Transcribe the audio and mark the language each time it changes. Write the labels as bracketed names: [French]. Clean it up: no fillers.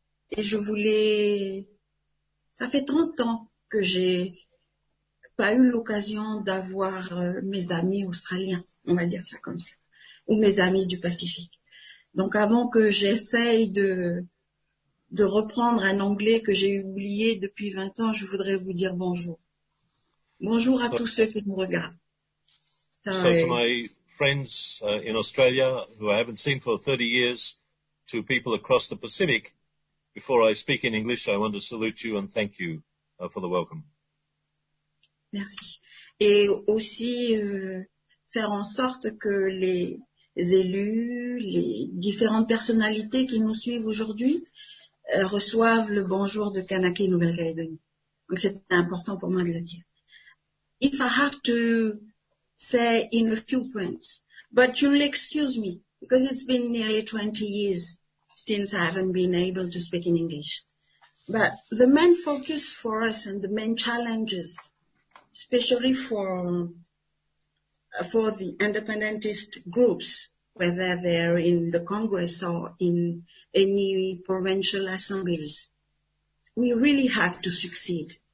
[French] Et je voulais... Ça fait 30 ans que j'ai pas eu l'occasion d'avoir mes amis australiens, on va dire ça comme ça, ou mes amis du Pacifique. Donc avant que j'essaye de reprendre un anglais que j'ai oublié depuis 20 ans, je voudrais vous dire bonjour. Bonjour à tous ceux qui nous regardent. [English] To my friends in Australia, who I haven't seen for 30 years, to people across the Pacific, before I speak in English, I want to salute you and thank you for the welcome. [French] Merci. Et aussi faire en sorte que les élus, les différentes personnalités qui nous suivent aujourd'hui reçoivent le bonjour de Kanaké Nouvelle-Calédonie. Donc c'est important pour moi de le dire. [English] If I have to say in a few points, but you'll excuse me because it's been nearly 20 years since I haven't been able to speak in English. But the main focus for us and the main challenges, especially for the independentist groups, whether they're in the Congress or in any provincial assemblies, we really have to succeed.